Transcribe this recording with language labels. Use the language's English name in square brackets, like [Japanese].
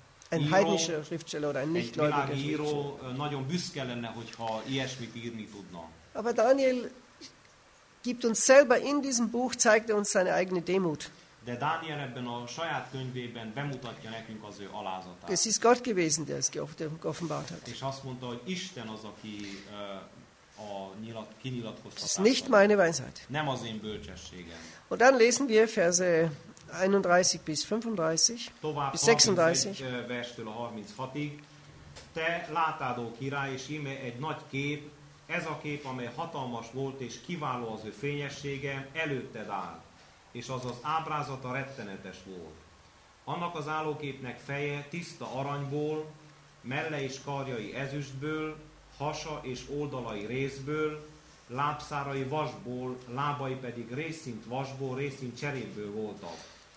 [German] ein heidnischer Schriftsteller oder ein nichtgläubiger Schriftsteller. [Hungarian] Nagyon büszke lenne, hogyha ilyesmit írni tudna. [German] Aber Daniel gibt uns selber in diesem Buch, zeigt er uns seine eigene Demut. [Hungarian] De Daniel ebben a saját könyvében bemutatja nekünk az ő alázatát. [German] Es ist Gott gewesen, der es geoffenbart hat. [Hungarian] És azt mondta, hogy Isten az, aki a nyilat, kinyilatkoztatása. Ez [German] nicht meine Weisheit. [Hungarian] Nem az én bölcsességem. [German] Und dann lesen wir Verse 31 bis 35, [Hungarian] tovább [German] bis 36. [Hungarian] Verstől a 36-ig. Te látád, ó király, és íme egy nagy kép, ez a kép, amely hatalmas volt, és kiváló az ő fényessége, előtted áll, és az az ábrázata rettenetes volt. Annak az állóképnek feje tiszta aranyból, melle és karjai ezüstből, hasa és oldalai részből, lábszárai vasból, lábai pedig részint vasból, részint cserépből voltak.